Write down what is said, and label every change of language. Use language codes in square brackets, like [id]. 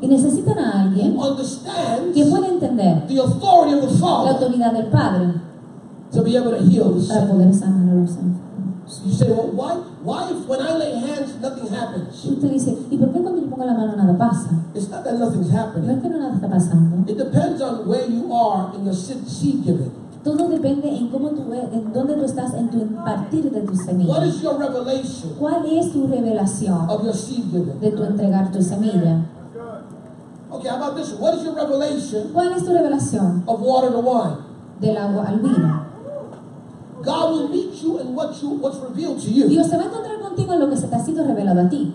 [es] y necesitan a alguien [en] who understands, [es] quien puede entender [en] the authority of the Father, [es] la autoridad del Padre, [en] to be able to heal the [es] para poder sanar a los enfermos. Usted dice, ¿y por qué cuando yo pongo la mano nada pasa? [en] It's not that nothing's happening. [es] No es que no nada está pasando. [en] It depends on where you are in the seed giving. [es] Todo depende en cómo tú eres, en dónde tú estás en tu partir de tu semilla. [en] What is your revelation? [es] ¿Cuál es tu revelación [en] of your seed giving? [es] De tu entregar tu semilla. [en] Okay, how about this? What is your revelation? [es] ¿Cuál es tu revelación [en] of water to wine? [es] Del agua al vino. [en] God will meet you in what's revealed to you. [es] Dios se va a encontrar contigo en lo que se te ha sido revelado a ti.